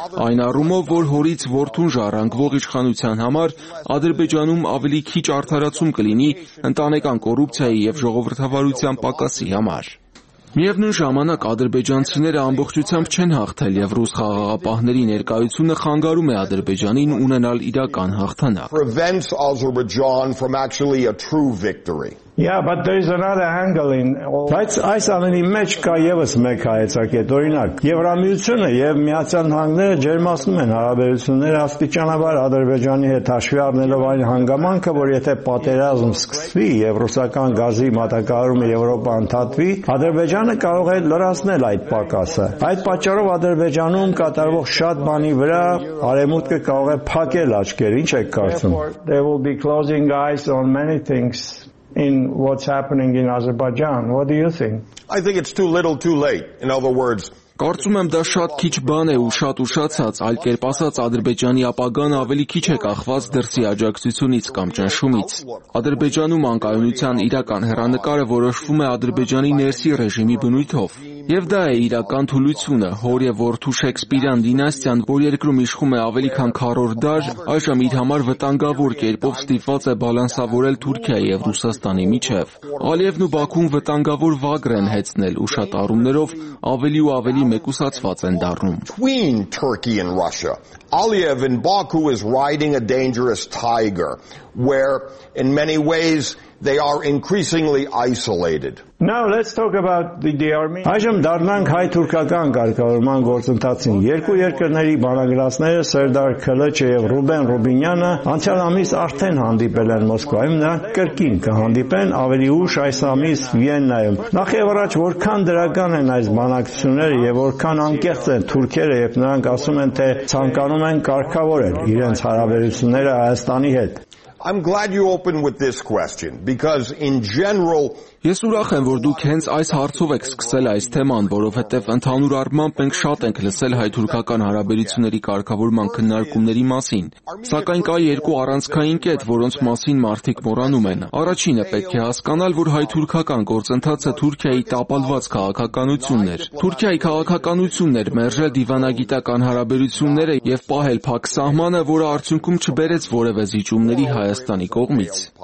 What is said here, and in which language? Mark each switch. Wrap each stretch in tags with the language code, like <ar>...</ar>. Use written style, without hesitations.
<hy>այն առումով, որ հորից որդուն ժառանգվող իշխանության համար Ադրբեջանում ավելի քիչ արդարացում կլինի ընտանեկան կոռուպցիայի եւ ժողովրդավարության պակասի համար։ Միևնույն ժամանակ ադրբեջանցիները ամբողջությամբ չեն հաղթել եւ ռուս խաղաղապահների ներկայությունը խանգարում է Ադրբեջանին ունենալ իրական հաղթանակ։</hy> <en>Yeah, but there is another angle in all.</en> <hy>Բայց այս ամենի մեջ կա եւս մեկ հայեցակետ, օրինակ, Եվրամիությունը եւ Միացյալ Նահանգները ջերմացնում են հարաբերությունները աստիճանաբար Ադրբեջանի հետ, հաշվի առնելով այն հանգամանքը, որ եթե պատերազմ սկսվի եւ ռուսական գազի մատակարարումը Եվրոպա ընդհատվի, Ադրբեջանը կարող է լրացնել այդ պակասը։ Այդ պատճառով Ադրբեջանում կատարվող շատ բանի վրա արեմուտքը կարող է փակել աչքերը, ինչ եք կարծում։</hy> <en>They will be closing eyes on many things. In what's happening in Azerbaijan, what do you think? I think it's too little, too late. In other words,</en> <hy>կարծում եմ դա շատ քիչ բան է ու շատ ուշացած, այլ կերպ ասած Ադրբեջանի ապագան ավելի քիչ է կախված դրսի աջակցությունից կամ ճնշումից։ Ադրբեջանում անկայունության իրական հեռանկարը որոշվում է Ադրբեջանի ներսի ռեժիմի բնույթով։ Եվ դա է իրական թուլությունը, հոր եւ որդու Շեքսպիրյան դինաստիան, որ երկրում իշխում է ավելի քան 40 դար, այժմ իր համար վտանգավոր կերպով ստիպված է բալանսավորել Թուրքիայի եւ Ռուսաստանի միջև։ Ալիևն ու Բաքուն վտանգավոր վագր են հեցնել ու շատ առումներով ավելի ու ավելի մեկուսացված են դառնում։</hy> <en>Between Turkey and Russia, Aliyev in Baku is riding a dangerous tiger where in many ways they are increasingly isolated. Now let's talk about the Armenian.</en> <hy>Այժմ դառնանք հայ-թուրքական կարգավորման գործընթացին։ Երկու երկրների բանակցիները Սերդար Քլեչը եւ Ռուբեն Ռուբինյանը անցյալ ամիս արդեն հանդիպել են Մոսկվայում, նրանք կրկին կհանդիպեն ավելի ուշ այս ամիս Վիեննայում։ Նախ եւ առաջ որքան դրական են այս բանակցությունները եւ որքան անկեղծ են թուրքերը, եթե նրանք ասում են, թե ցանկանում են կարգավորել իրենց հարաբերությունները Հայաստանի հետ։</hy> <en>I'm glad you opened with this question because in general</en> <hy>Ես ուրախ եմ, որ դուք հենց այս հարցով եք սկսել այս թեման, որովհետև ընդհանուր առմամբ մենք շատ ենք լսել հայ-թուրքական հարաբերությունների կարգավորման քննարկումների մասին։ Սակայն կա երկու առանցքային կետ, որոնց մասին մարդիկ մոռանում են։ Առաջինը պետք է հասկանալ, որ հայ-թուրքական գործընթացը Թուրքիայի տապալված քաղաքականությունն էր։ Թուրքիայի քաղաքականությունն էր մերժել դիվանագիտական հարաբերությունները եւ պահել փակ սահմանը, որը արդյունքում չբերեց որևէ զիջումների Հայաստանի կողմից։</hy>